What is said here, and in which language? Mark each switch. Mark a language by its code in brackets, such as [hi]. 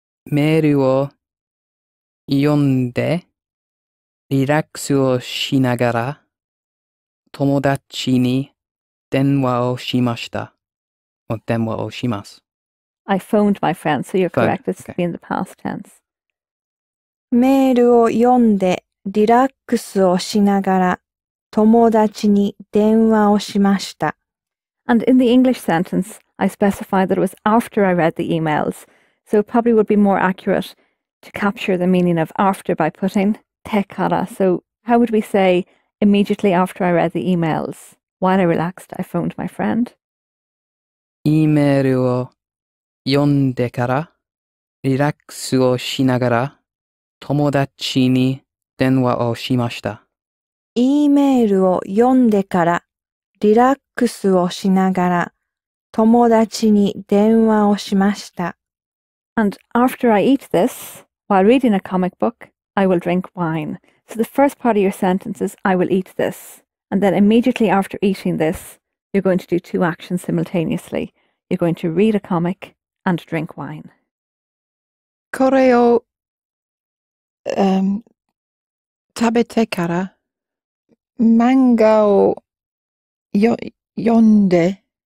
[ja] メールを読んでリラックスをしながら友達に電話をしました。お電話をします。 [en] I phoned my friend, so you're correct, this would be in the past tense. [ja] メールを読んでリラックスをしながら友達に電話をしました。 [en] And in the English sentence, I specified that it was after I read the emails, so it probably would be more accurate to capture the meaning of after by putting てから. So how would we say immediately after I read the emails? While I relaxed, I phoned my friend. [ja] E メールを読んでからリラックスをしながら友達に電話をしました。 E メールを読んでからリラックスをしながら友達に電話をしました。 [en] And after I eat this, while reading a comic book, I will drink wine. So the first part of your sentence is, I will eat this. And then immediately after eating this, you're going to do two actions simultaneously. You're going to read a comic and drink wine. [ja] これを食べてから漫画を読んで。